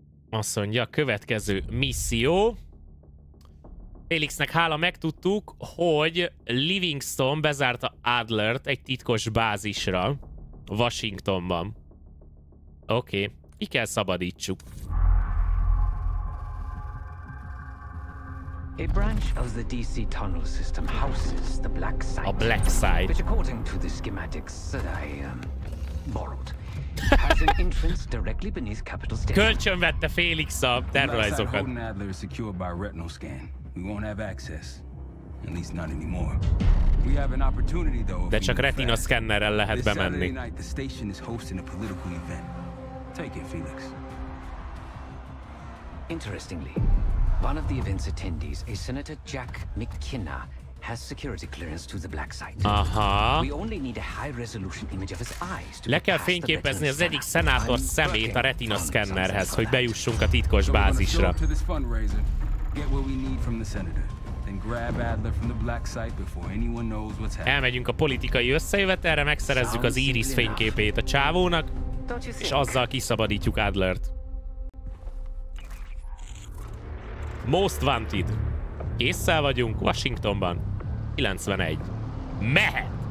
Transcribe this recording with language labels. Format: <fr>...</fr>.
<hu>Azt mondja, a következő misszió. Felixnek hála, megtudtuk, hogy Livingston bezárta Adlert egy titkos bázisra Washingtonban. Oké, ki kell szabadítsuk.</hu> <en>A branch of the DC tunnel system houses the black site. A black site. Which according to the schematics that I borrowed has an entrance directly beneath Capitol Station.</en> <hu>Kölcsön vette Felix a tervrajzokat.</hu> <en>Unless that Adler is secured by a retinal scan, we won't have access. At least not anymore. We have an opportunity though.</en> <hu>De csak retina szkennerrel lehet bemenni.</hu> <en>This Saturday night, the station is hosting a political event. Take it, Felix. Interestingly, one of the event's attendees, a Senator Jack McKenna, has security clearance to the black site. Aha. We only need a high-resolution image of his eyes to</en> <hu>le kell fényképezni az egyik szenátor szemét a retina szkennerhez, hogy bejussunk a titkos bázisra.</hu> <en>So we're going to show up to this fundraiser, get what we need from the senator, then grab Adler from the black site before anyone knows what's happening.</en> <hu>Elmegyünk a politikai összejövetelre, megszerezzük az iris fényképét a csávónak, és azzal kiszabadítjuk Adlert. Most Wanted. Ésszel vagyunk Washingtonban. 91. Mehet!</hu>